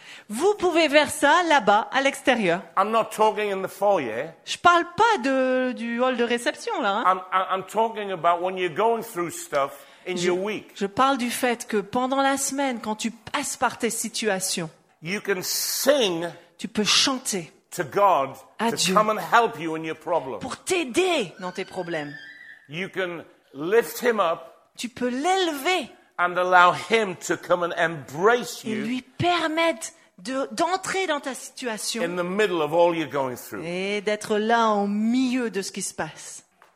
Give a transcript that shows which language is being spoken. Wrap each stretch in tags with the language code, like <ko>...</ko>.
<fr>Vous pouvez faire ça là-bas, à l'extérieur.</fr> <en>I'm not talking in the foyer.</en> <fr>Je parle pas de, du hall de réception là. Hein.</fr> <en>I'm talking about when you're going through stuff in your week.</en> <fr>Je parle du fait que pendant la semaine, quand tu passes par tes situations,</fr> <en>you can sing.</en> <fr>Tu peux chanter.</fr> <en>To God,</en> <fr>à</fr> <en>to</en> <fr>Dieu.</fr> <en>Come and help you in your problems.</en> <fr>Pour t'aider dans tes problèmes.</fr> <en>You can lift him up.</en> <fr>Tu peux l'élever.</fr> <en>And allow him to come and embrace you.</en> <fr>Et lui permettre d'entrer dans ta situation.</fr> <en>In the middle of all you're going through.</en> <fr>Et d'être là au milieu de ce qui se passe.</fr>